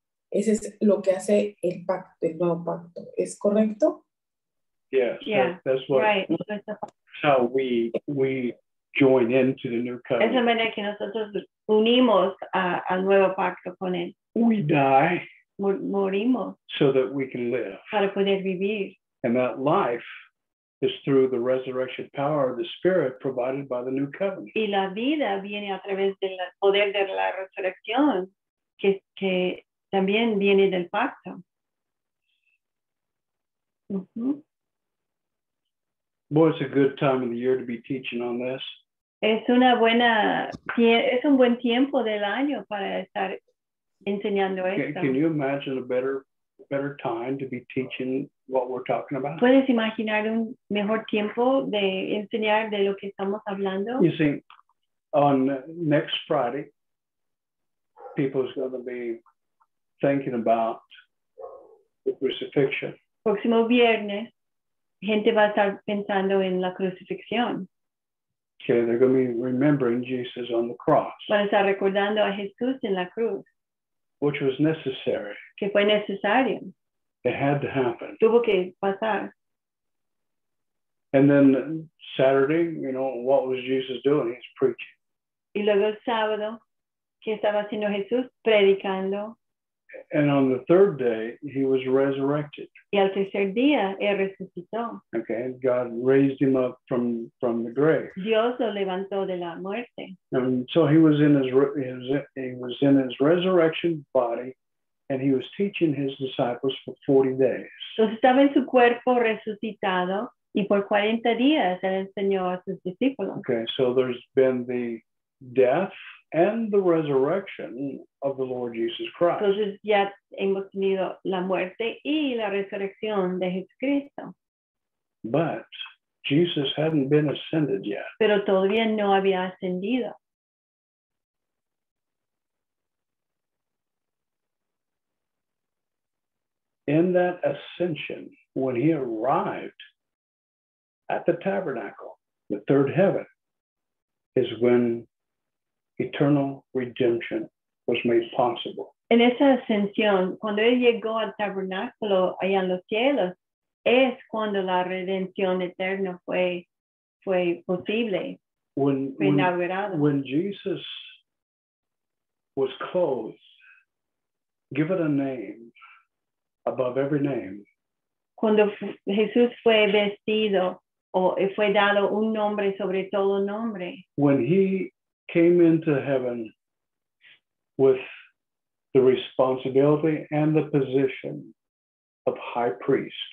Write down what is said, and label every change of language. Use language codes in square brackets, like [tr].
[es] Ese es lo que hace el pacto, el nuevo pacto. ¿Es correcto? [en] Yes, yeah, that's what, right. How we join into the new covenant. [es] Es la manera que nosotros unimos al nuevo pacto con Él. [en] We die. [es] Morimos. [en] So that we can live. [es] Para poder vivir. [en] And that life is through the resurrection power of the Spirit provided by the new covenant. [es] Y la vida viene a través del poder de la resurrección, que también viene del pacto. Mm-hmm. [en] Boy, it's a good time of the year to be teaching on this. [es] Es un buen tiempo del año para estar enseñando esto. [en] Can you imagine a better time to be teaching what we're talking about? [es] ¿Puedes imaginar un mejor tiempo de enseñar de lo que estamos hablando? [en] You see, on next Friday, people's going to be thinking about the crucifixion. [es] Próximo viernes, gente va a estar pensando en la crucifixión. [en] Okay, they're going to be remembering Jesus on the cross. [es] Van a estar recordando a Jesús en la cruz. [en] Which was necessary. [es] Que fue necesario. [en] It had to happen. [es] Tuvo que pasar. [en] And then Saturday, you know, what was Jesus doing? He's preaching. [es] Y luego el sábado, ¿qué estaba haciendo Jesús? Predicando. [en] And on the third day, he was resurrected. [es] Y al tercer día, él resucitó. [en] Okay, and God raised him up from the grave. [es] Dios lo levantó de la muerte. [en] And so he was in his resurrection body, and he was teaching his disciples for 40 days. [es] Entonces estaba en su cuerpo resucitado, y por 40 días él enseñó a sus discípulos. [en] Okay, so there's been the death and the resurrection of the Lord Jesus Christ. [es] Entonces ya hemos tenido la muerte y la resurrección de Jesucristo. [en] But Jesus hadn't been ascended yet. [es] Pero todavía no había ascendido. [en] In that ascension, when he arrived at the tabernacle, the third heaven, is when eternal redemption was made possible. [es] En esa ascensión, cuando él llegó al tabernáculo allá en los cielos, es cuando la redención eterna fue posible. [en] When Jesus was clothed, given a name above every name. [es] Cuando Jesús fue vestido o fue dado un nombre sobre todo nombre. [en] When he came into heaven with the responsibility and the position of high priest.